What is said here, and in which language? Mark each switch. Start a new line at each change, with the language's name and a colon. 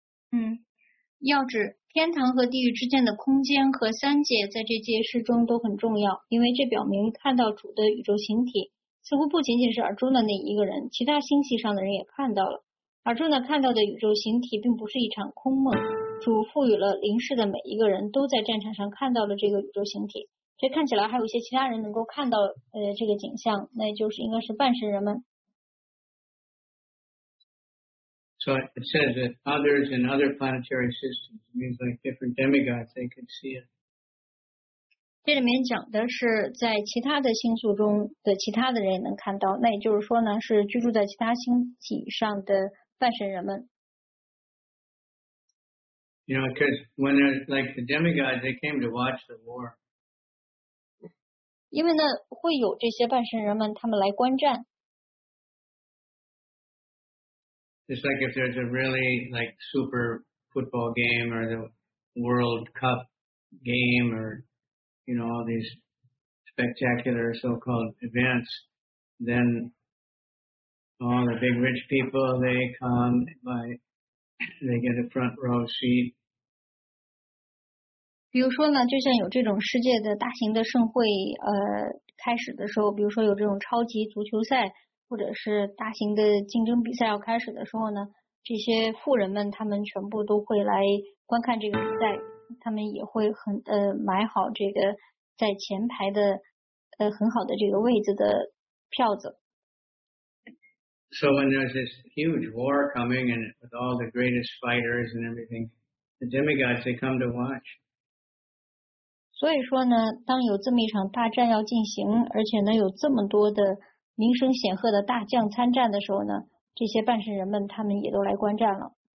Chinese: 嗯，要指天堂和地狱之间的空间和三界在这界世中都很重要，因为这表明看到主的宇宙形体似乎不仅仅是Arjuna的那一个人，其他星系上的人也看到了。 Arjuna看到的宇宙形体并不是一场空梦，主赋予了灵视的每一个人都在战场上看到了这个宇宙形体，所以看起来还有一些其他人能够看到这个景象，那就是应该是半神人们。
English: So it says that others in other planetary systems, means like different demigods, they could see it.
Chinese: 这里面讲的是在其他的星宿中的其他的人也能看到，那也就是说呢，是居住在其他星体上的半神人们。
English: You know, because when like the demigods, they came to watch the war.
Chinese: 因为呢，会有这些半神人们，他们来观战。
English: It's like if there's a really like super football game or the World Cup game or, you know, all these spectacular so-called events, then all the big rich people, they come by, they get a front row seat.
Chinese: 比如说呢，就像有这种世界的大型的盛会开始的时候，比如说有这种超级足球赛。或者是大型的竞争比赛要开始的时候呢，这些富人们他们全部都会来观看这个比赛，他们也会很买好这个在前排的很好的这个位置的票子。
English: So when there's this huge war coming and with all the greatest fighters and everything, the demigods they come to watch.
Chinese: 所以说呢，当有这么一场大战要进行，而且呢有这么多的名声显赫的大将参战的时候呢，这些半神人们他们也都来观战了。